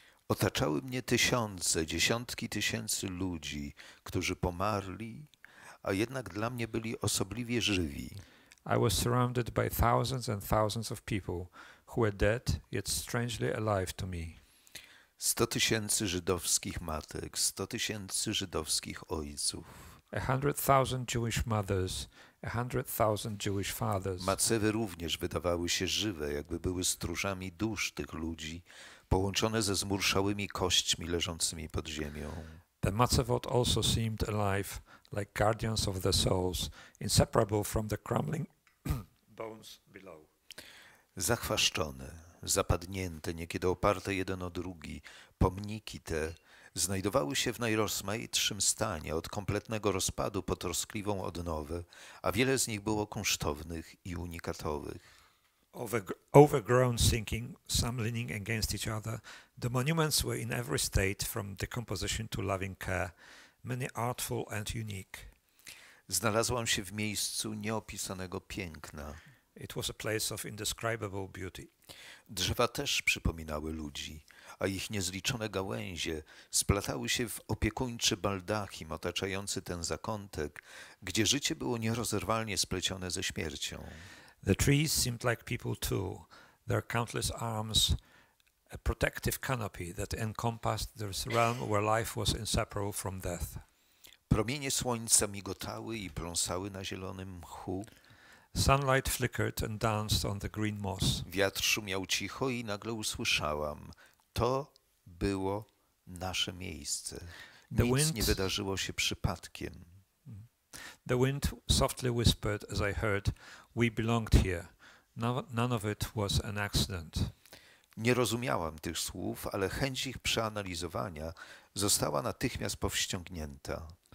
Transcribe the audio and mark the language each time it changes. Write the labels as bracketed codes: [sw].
[pl] Otaczały mnie tysiące, dziesiątki tysięcy ludzi, którzy pomarli, a jednak dla mnie byli osobliwie żywi. [en] I was surrounded by thousands and thousands of people who were dead, yet strangely alive to me. [pl] 100 tysięcy żydowskich matek, 100 tysięcy żydowskich ojców. [en] 100,000 Jewish mothers, 100,000 Jewish fathers. [pl] Macewy również wydawały się żywe, jakby były stróżami dusz tych ludzi, połączone ze zmurszałymi kośćmi leżącymi pod ziemią. [en] The matzevot also seemed alive, like guardians of the souls, inseparable from the crumbling bones below. [pl] Zachwaszczone, zapadnięte, niekiedy oparte jeden o drugi, pomniki te znajdowały się w najrozmaitszym stanie, od kompletnego rozpadu po troskliwą odnowę, a wiele z nich było kunsztownych i unikatowych. [en] Overgrown, sinking, some leaning against each other, the monuments were in every state from decomposition to loving care, many artful and unique. [pl] Znalazłam się w miejscu nieopisanego piękna. [en] It was a place of indescribable beauty. [pl] Drzewa też przypominały ludzi, a ich niezliczone gałęzie splatały się w opiekuńczy baldachim otaczający ten zakątek, gdzie życie było nierozerwalnie splecione ze śmiercią. [en] The trees seemed like people too, their countless arms, a protective canopy that encompassed this realm where life was inseparable from death. [pl] Promienie słońca migotały i pląsały na zielonym mchu. [en] Sunlight flickered and danced on the green moss. [pl] Wiatr szumiał cicho i nagle usłyszałam, to było nasze miejsce. Nic nie wydarzyło się przypadkiem. [en] The wind softly whispered as I heard, we belonged here. None of it was an accident. [pl] Nie rozumiałam tych słów, ale chęć ich przeanalizowania została natychmiast powściągnięta.